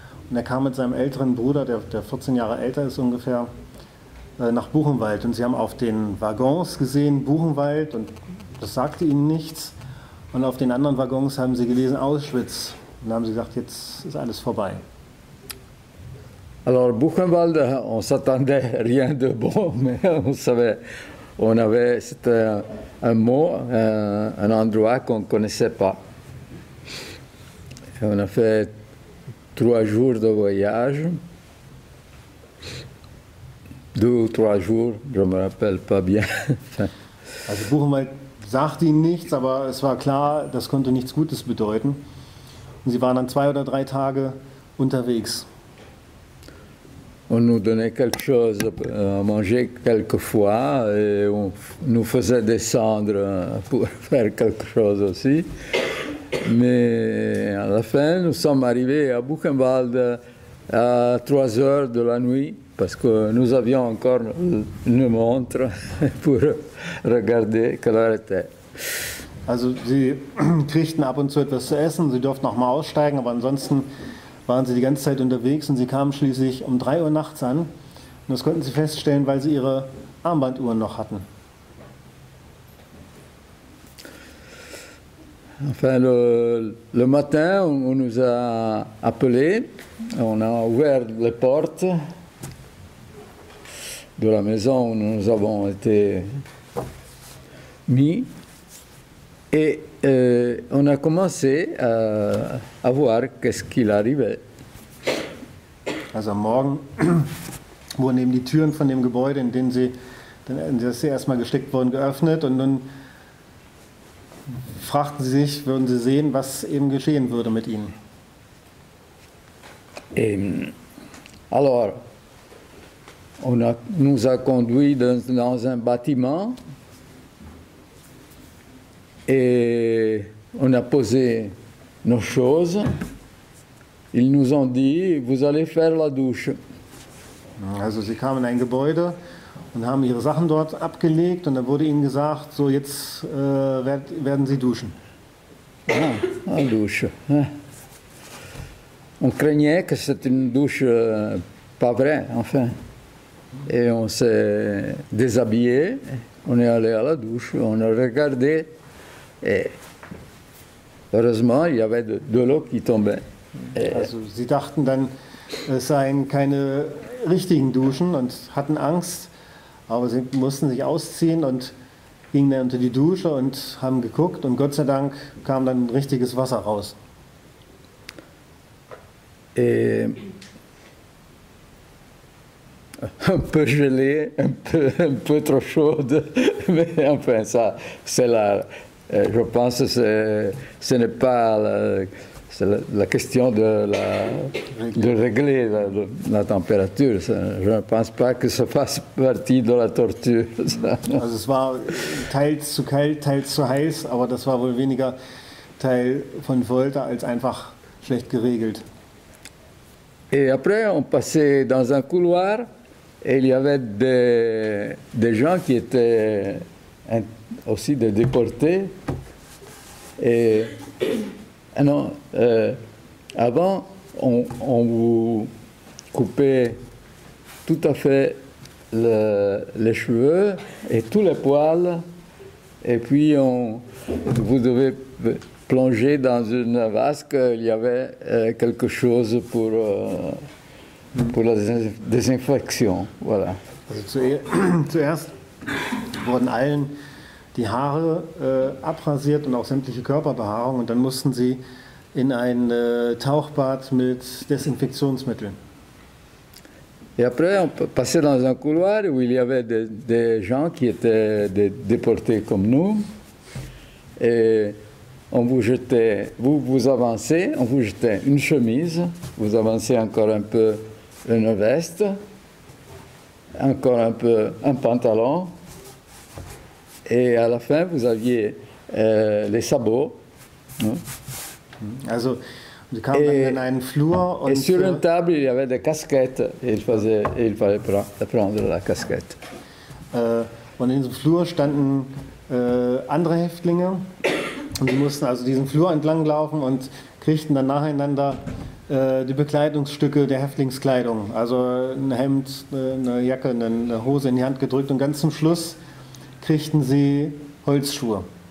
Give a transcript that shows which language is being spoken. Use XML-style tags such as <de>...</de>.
<de>Und er kam mit seinem älteren Bruder, der 14 Jahre älter ist ungefähr, nach Buchenwald. Und sie haben auf den Waggons gesehen, Buchenwald, und das sagte ihnen nichts. Und auf den anderen Waggons haben sie gelesen, Auschwitz. Und dann haben sie gesagt, jetzt ist alles vorbei.</de> <fr>Alors Buchenwald, on s'attendait rien de bon, mais on avait, c'était un mot, un endroit qu'on connaissait pas. Et on a fait 3 jours de voyage, 2 ou 3 jours, je me rappelle pas bien.</fr> <de>Also Buchenwald sagte ihnen nichts, aber es war klar, das konnte nichts Gutes bedeuten. Und sie waren dann 2 oder 3 Tage unterwegs.</de> <fr>On nous donnait quelque chose à manger quelques fois et on nous faisait descendre pour faire quelque chose aussi. Mais à la fin, nous sommes arrivés à Buchenwald à 3 heures de la nuit parce que nous avions encore une montre pour regarder quelle heure était.</fr> <de>Also, sie kriegten ab und zu etwas zu essen, sie durften noch mal aussteigen, aber ansonsten waren sie die ganze Zeit unterwegs und sie kamen schließlich um 3 Uhr nachts an. Und das konnten sie feststellen, weil sie ihre Armbanduhren noch hatten.</de> <fr>Enfin, le matin, on nous a appelé, on a ouvert les portes de la maison où nous avons été mis. Et on a commencé à voir qu'est-ce qu'il arrivait.</fr> <de>Also am Morgen wurden eben die Türen von dem Gebäude, in denen sie dann erstmal gesteckt wurden, geöffnet. Und nun fragten sie sich, würden sie sehen, was eben geschehen würde mit ihnen.</de> <fr>Alors, on a, nous a conduit dans un bâtiment et on a posé nos choses. Ils nous ont dit, vous allez faire la douche.</fr> <de>Also, sie kamen in ein Gebäude und haben ihre Sachen dort abgelegt und dann wurde ihnen gesagt, so jetzt werden sie duschen.</de> <fr>Ah, la douche. On craignait que c'était une douche pas vraie, enfin. Et on s'est déshabillé, on est allé à la douche, on a regardé et heureusement, il y avait de l'eau qui tombait.</fr> <de>Also sie dachten dann, es seien keine richtigen Duschen und hatten Angst, aber sie mussten sich ausziehen und gingen dann unter die Dusche und haben geguckt und Gott sei Dank kam dann richtiges Wasser raus.</de> <fr>Un peu gelé, un peu trop chaude, mais enfin ça, c'est là, je pense que ce n'est pas... C'est la question de la, de régler la, de, la température. Ça, je ne pense pas que ça fasse partie de la torture.</fr> <de>Also es war teils zu kalt, teils zu heiß, aber das war wohl weniger Teil von Volta als einfach schlecht geregelt.</de> <fr>Et après, on passait dans un couloir et il y avait des gens qui étaient aussi des déportés. Et non, avant, on vous coupait tout à fait les cheveux et tous les poils, et puis vous devez plonger dans une vasque, il y avait quelque chose pour la désinfection. Voilà.</fr> <de>Zuerst wurden allen die Haare abrasiert und auch sämtliche Körperbehaarung, und dann mussten sie in ein Tauchbad mit Desinfektionsmitteln.</de> <fr>Et après, on passait dans un couloir où il y avait des gens qui étaient déportés comme nous. Et on vous jetait, vous avancez, on vous jetait une chemise, vous avancez encore un peu une veste, encore un peu un pantalon. Et à la fin, vous aviez les sabots. Hein?</fr> <de>Also, wir kamen dann in einen Flur und</de> <fr>sur une table, il y avait des casquettes et il fallait prendre la casquette.</fr> <de>Und in diesem Flur standen andere Häftlinge und sie mussten also diesen Flur entlang laufen und kriegten dann nacheinander die Bekleidungsstücke der Häftlingskleidung, also ein Hemd, eine Jacke, eine Hose in die Hand gedrückt, und ganz zum Schluss kriegten sie Holzschuhe.</de>